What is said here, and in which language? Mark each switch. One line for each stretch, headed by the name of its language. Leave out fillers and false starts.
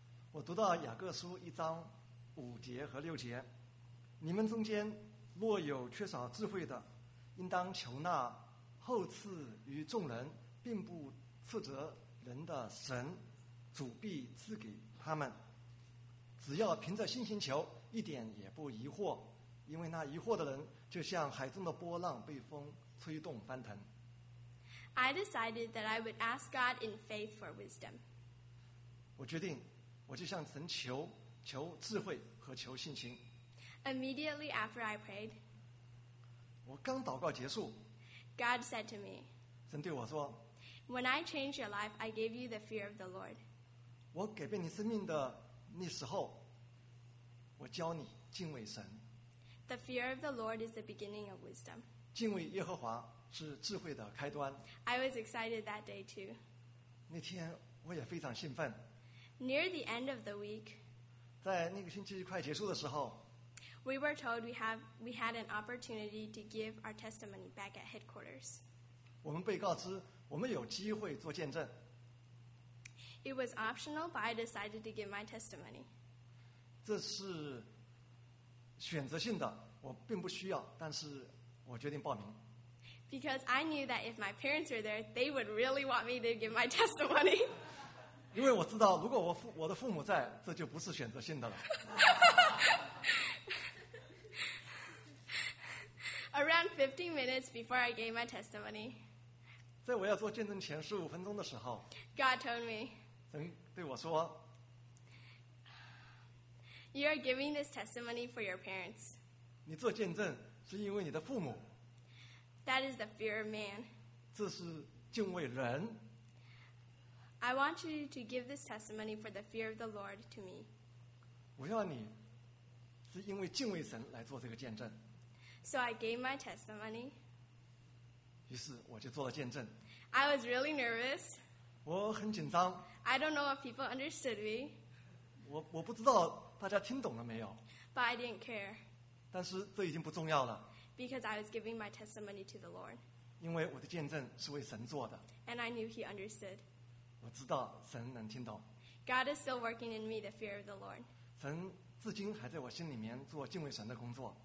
Chinese: 我读到雅各书1:5-6，你们中间若有缺少智慧的，应当求那厚赐于众人，并不斥责人的神，主必赐给他们。只要凭着信心求，一点也不疑惑，因为那疑惑的人就像海中的波浪被风吹动翻腾。
English: I decided that I would ask God in faith for wisdom.
Chinese: 我决定，我就向神求，求智慧和求信心。
English: Immediately after I prayed,
Chinese: 我刚祷告结束。
English: God said to me,
Chinese: 神对我说,
English: When I changed your life, I gave you the fear of the Lord.
Chinese: 我改变你生命的那时候, 我教你敬畏神。
English: The fear of the Lord is the beginning of wisdom.
Chinese: 敬畏耶和华是智慧的开端。
English: I was excited that day too.
Chinese: 那天我也非常兴奋。
English: Near the end of the week,
Chinese: 在那个星期快结束的时候,
English: We were told we had an opportunity to give our testimony back at headquarters.
Chinese: 我们被告知我们有机会做见证。
English: It was optional, but I decided to give my testimony.
Chinese: 这是选择性的，我并不需要，但是我决定报名。
English: Because I knew that if my parents were there, they would really want me to give my testimony.
Chinese: 因为我知道，如果我的父母在，这就不是选择性的了。
English: Around 15 minutes before I gave my testimony,
Chinese: 在我要做见证前15分钟的时候，
English: God told me,
Chinese: 神对我说，
English: You are giving this testimony for your parents.
Chinese: 你做见证是因为你的父母。
English: That is the fear of man.
Chinese: 这是敬畏人。
English: I want you to give this testimony for the fear of the Lord to me.
Chinese: 我要你是因为敬畏神来做这个见证。
English: So I gave my testimony.
Chinese: 于是我就做了见证。
English: I was really nervous.
Chinese: 我很紧张。
English: I don't know if people understood me.
Chinese: 我不知道大家听懂了没有。
English: But I didn't care.
Chinese: 但是这已经不重要了。
English: Because I was giving my testimony to the Lord.
Chinese: 因为我的见证是为神做的。
English: And I knew He understood.
Chinese: 我知道神能听懂。
English: God is still working in me the fear of the Lord.
Chinese: 神至今还在我心里面做敬畏神的工作。